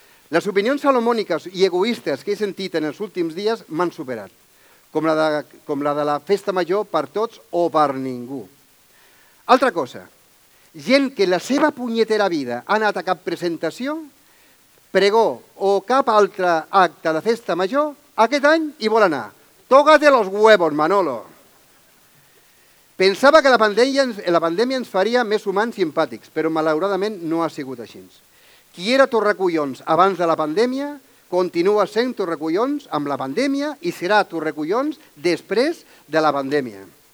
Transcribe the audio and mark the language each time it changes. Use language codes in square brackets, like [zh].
[ca] Les opinions salomòniques i egoistes que he sentit en els últims dies m'han superat, com la de la festa major per tots o per ningú. Altra cosa, gent que la seva punyetera vida ha anat a cap presentació, pregó o cap altre acte de festa major, aquest any hi vol anar. [es] Tócate los huevos, Manolo. [ca] Pensava que la pandèmia ens faria més humans i empàtics, però malauradament no ha sigut així. Qui era torracollons abans de la pandèmia continua sent torracollons amb la pandèmia i serà torracollons després de la pandèmia.